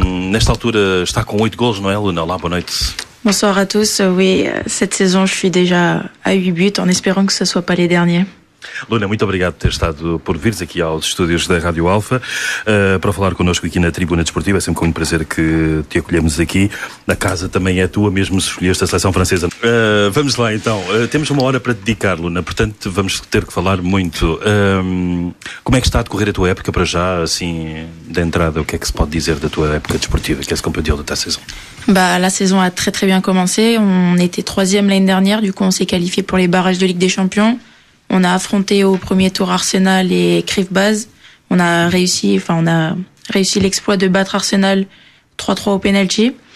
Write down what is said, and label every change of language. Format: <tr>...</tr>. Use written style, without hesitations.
<pt>Nesta altura está com 8 golos, não é, Luna? Olá, boa noite.</pt> <fr>Bonsoir à tous. Oui, cette saison je suis déjà à 8 buts, en espérant que ce soit pas les derniers.</fr> <pt>Luna, muito obrigado por ter estado, por vires aqui aos estúdios da Rádio Alfa para falar connosco aqui na Tribuna Desportiva. É sempre com um prazer que te acolhemos aqui. A casa também é tua, mesmo se escolheste a seleção francesa. Vamos lá então, temos uma hora para dedicar, Luna, portanto vamos ter que falar muito. Como é que está a decorrer a tua época para já, assim, de entrada? O que é que se pode dizer da tua época desportiva, que é-se compadre da tua saison?</pt> <fr>La saison a très très bien commencé. On était 3e l'année dernière, du coup on s'est qualifié pour les barrages de Ligue des Champions. On a affronté au premier tour Arsenal et Crif Baz. On a réussi l'exploit de battre Arsenal 3-3 au penalty.</fr>